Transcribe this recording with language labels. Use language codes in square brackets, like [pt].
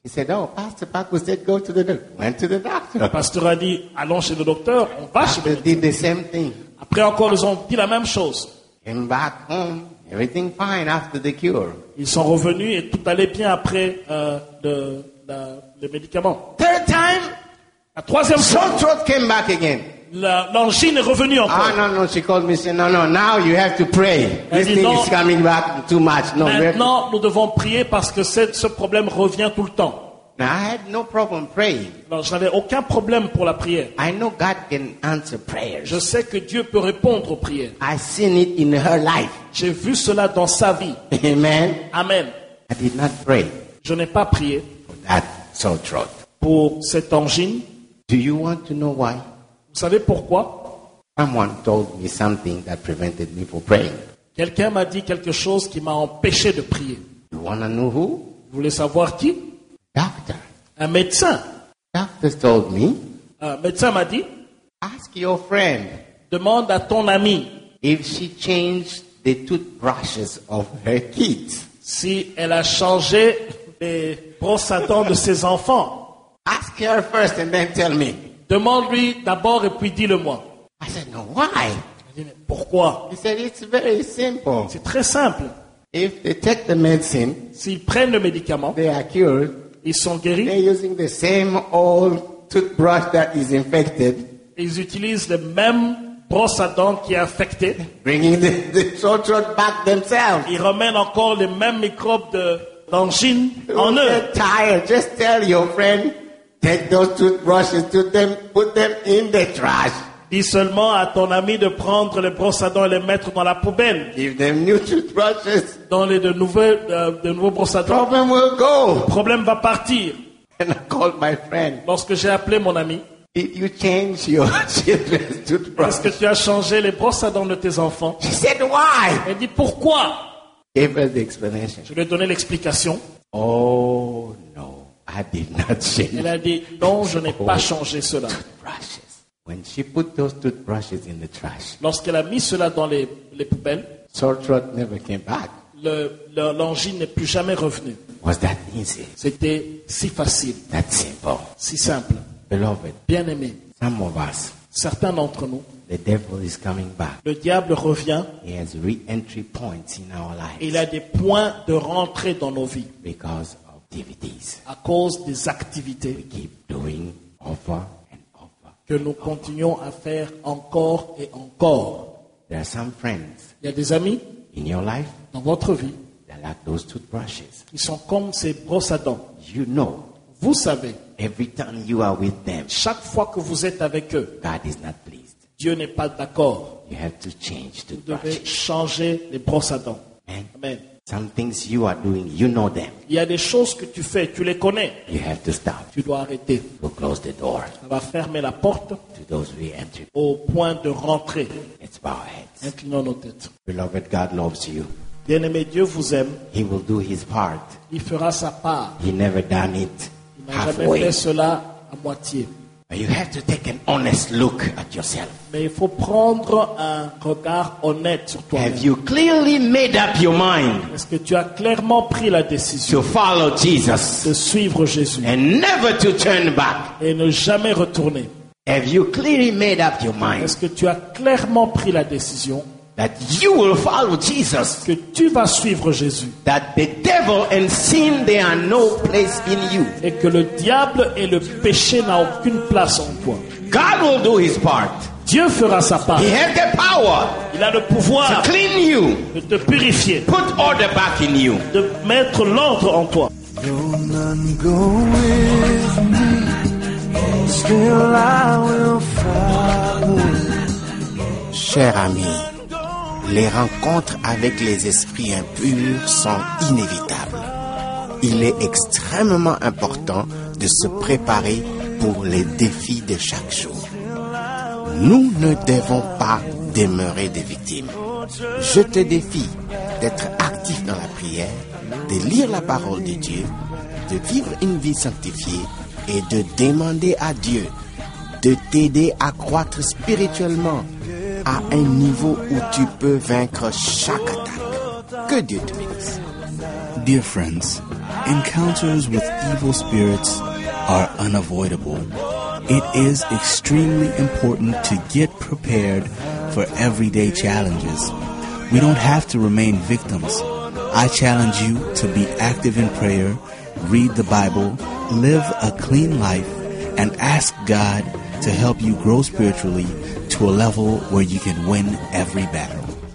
[en] He said, "Oh, Pastor Paco said, go to the doctor." Went to the doctor. [fr] Le pasteur a dit, allons chez le docteur. On va chez le docteur. [en] Did the same thing. [fr] Après encore, ils ont dit la même chose. [en] Came back home, everything fine after the cure. [fr] Ils sont revenus et tout allait bien après le médicament. [en] Third time. [fr] La troisième fois. [en] Sore throat came back again. [fr] L'angine est revenue encore. [en] Ah, no, no, she called me, said, no, now you have to pray. This [fr] dit, [en] thing is coming back too much. No, [fr] maintenant, nous devons prier parce que ce problème revient tout le temps. [en] Now, I had no problem praying. [fr] Non, je n'avais aucun problème pour la prière. [en] I know God can answer prayers. [fr] Je sais que Dieu peut répondre aux prières. [en] I seen it in her life. [fr] J'ai vu cela dans sa vie. [en] Amen. [fr] Amen. [en] I did not pray. [fr] Je n'ai pas prié [en] for that sore throat. [fr] Pour cette angine. [en] Do you want to know why? [fr] Vous savez pourquoi? [en] Someone told me something that prevented me from praying. [fr] Quelqu'un m'a dit quelque chose qui m'a empêché de prier. [en] You wanna know who? [fr] Vous voulez savoir qui? [en] Doctor. [fr] Un médecin. [en] Doctor told me. [fr] Un médecin m'a dit. [en] Ask your friend. [fr] Demande à ton ami. [en] If she changed the toothbrushes of her kids. [fr] Si elle a changé les brosses à dents de ses enfants. [en] Ask her first and then tell me. [fr] Demande-lui d'abord et puis dis-le-moi. [en] I said, no, why? [fr] Pourquoi? [en] He said, it's very simple. [fr] C'est très simple. [en] If they take the medicine, [fr] s'ils prennent le médicament, [en] they are cured, [fr] ils sont guéris. [en] They're using the same old toothbrush that is infected, [fr] ils utilisent les mêmes brosses à dents qui est infectée. [en] Bringing the sore throat back themselves. [fr] Ils remènent encore les mêmes microbes d'angine en eux. [en] Tired. Just tell your friend, take those toothbrushes to them, put them in the trash. [fr] Dis seulement à ton ami de prendre les brosses à dents et les mettre dans la poubelle. [en] Give them new toothbrushes. [fr] Donne-les de nouveaux brosses à dents. [en] Problem will go. [fr] Le problème va partir. [en] And I called my friend. [fr] Lorsque j'ai appelé mon ami. [en] Did you change your children's toothbrush? [fr] Est-ce que tu as changé les brosses à dents de tes enfants? [en] She said why. [fr] Elle dit pourquoi. [en] Gave her the explanation. [fr] Je lui ai donné l'explication. [en] Oh no, I did not change. [fr] Elle a dit non, je n'ai pas changé cela. [en] When she put those toothbrushes in the trash. [fr] Lorsqu'elle a mis cela dans les poubelles. [en] Sore throat never came back. [fr] L'angine n'est plus jamais revenue. [en] Was that easy? [fr] C'était si facile. [en] That simple. [fr] Si simple. [en] Beloved. [fr] Bien-aimé. [en] Some of us. [fr] Certains d'entre nous. [en] The devil is coming back. [fr] Le diable revient. [en] He has re-entry points in our lives. [fr] Il a des points de rentrée dans nos vies. [en] Because of activities. [fr] À cause des activités. [en] We keep doing over. [fr] Que nous continuons à faire encore et encore. [en] There are some friends. [fr] Il y a des amis [en] in your life, [fr] dans votre vie. [en] They're like those toothbrushes. [fr] Ils sont comme ces brosses à dents. [en] You know, [fr] vous savez. [en] Every time you are with them, [fr] chaque fois que vous êtes avec eux. [en] God is not pleased. [fr] Dieu n'est pas d'accord. [en] You have to change the brushes. [fr] Vous devez changer les brosses à dents. [en] Amen. [fr] Amen. [en] Some things you are doing, you know them. [fr] Il y a des choses que tu fais, tu les connais. [en] You have to stop. [fr] Tu dois arrêter. [en] We'll close the door. [fr] On va fermer la porte. [en] To those we enter. [fr] Au point de rentrer. [en] Let's bow our heads. [fr] Inclinons nos têtes. [en] Beloved, God loves you. [fr] Bien-aimé, Dieu vous aime. [en] He will do his part. [fr] Il fera sa part. [en] He never done it halfway. [fr] Il n'a jamais fait cela à moitié. [en] You have to take an honest look at yourself. [fr] Mais il faut prendre un regard honnête sur toi. [en] Have you clearly made up your mind? [fr] Est-ce que tu as clairement pris la décision? [en] To follow Jesus. [fr] De suivre Jésus. [en] And never to turn back. [fr] Et ne jamais retourner. [en] Have you clearly made up your mind? [fr] Est-ce que tu as clairement pris la décision? [en] That you will follow Jesus. [fr] Que tu vas suivre Jésus. [en] That the devil and sin they are no place in you. [fr] Et que le diable et le péché n'ont aucune place en toi. [en] God will do his part. [fr] Dieu fera sa part. [en] He has the power. [fr] Il a le pouvoir. [en] To clean you. [fr] De te purifier. [en] Put order back in you. [fr] De mettre l'ordre en toi. [en] No man go with me. Still I will follow. [fr] Cher ami. Les rencontres avec les esprits impurs sont inévitables. Il est extrêmement important de se préparer pour les défis de chaque jour. Nous ne devons pas demeurer des victimes. Je te défie d'être actif dans la prière, de lire la parole de Dieu, de vivre une vie sanctifiée et de demander à Dieu de t'aider à croître spirituellement à un niveau où tu peux vaincre chaque attaque. Que Dieu te bénisse. [en] Dear friends, encounters with evil spirits are unavoidable. It is extremely important to get prepared for everyday challenges. We don't have to remain victims. I challenge you to be active in prayer, read the Bible, live a clean life, and ask God to help you grow spiritually to a level where you can win every battle.